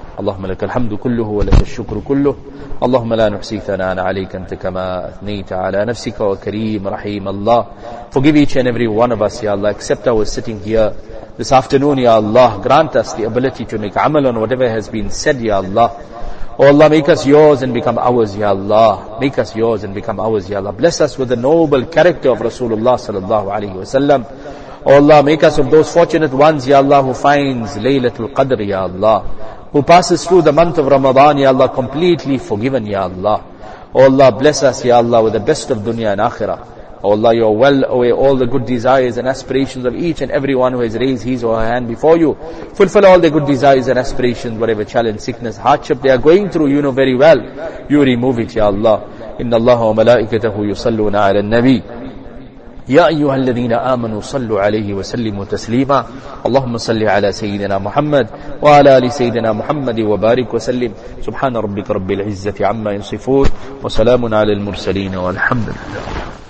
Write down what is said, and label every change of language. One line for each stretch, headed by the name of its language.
Arabic: اللهم لك الحمد كله ولك الشكر كله اللهم لا نحصي ثناء عليك أنت كما أثنيت على نفسك وكريم رحيم الله
English: Forgive each and every one of us, Ya Allah. Except our sitting here this afternoon, Ya Allah. Grant us the ability to make amal on whatever has been said, Ya Allah. Oh Allah, make us yours and become ours, Ya Allah. Make us yours and become ours, Ya Allah. Bless us with the noble character of Rasulullah sallallahu alayhi wa sallam. Oh Allah, make us of those fortunate ones, Ya Allah, who finds Laylatul Qadr, Ya Allah. Who passes through the month of Ramadan, Ya Allah, completely forgiven, Ya Allah. O Allah, bless us, Ya Allah, with the best of dunya and akhirah. O Allah, you are well away all the good desires and aspirations of each and every one who has raised his or her hand before you. Fulfill all their good desires and aspirations, whatever challenge, sickness, hardship they are going through, you know very well. You remove it, Ya Allah.
Arabic: Inna Allahu wa malaikatahu yusalluna ala al-Nabi. يا أيها الذين آمنوا صلوا عليه وسلموا تسليما اللهم صل على سيدنا محمد وعلى آل سيدنا محمد وبارك وسلم سبحان ربك رب العزة عما يصفون وسلام على المرسلين والحمد لله